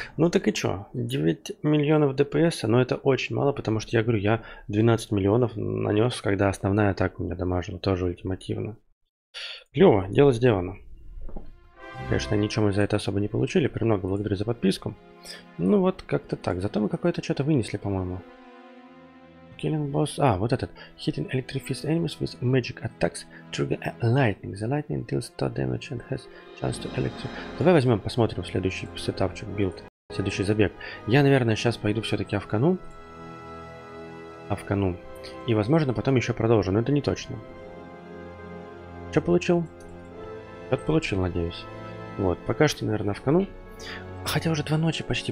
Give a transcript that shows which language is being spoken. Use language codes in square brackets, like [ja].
[ru] Ну так и что, 9 миллионов ДПС, но это очень мало, потому что я говорю, я 12 миллионов нанес, когда основная атака у меня дамажила, тоже ультимативно. Клево, дело сделано. Конечно, ничего мы за это особо не получили, премного благодарю за подписку. Ну вот, как-то так. Зато мы какое-то что-то вынесли, по-моему. [en] Killing boss... [ru] А, вот этот. [en] Hitting electrified enemies with magic attacks trigger a lightning. The lightning deals 100 damage and has chance to electric... [ru] Давай возьмем, посмотрим следующий сетапчик, билд. Следующий забег. Я, наверное, сейчас пойду все-таки авкану. Авкану. И, возможно, потом еще продолжу, но это не точно. Что получил? Я получил, надеюсь. Вот, пока что, наверное, в кону. Хотя уже 2 ночи почти.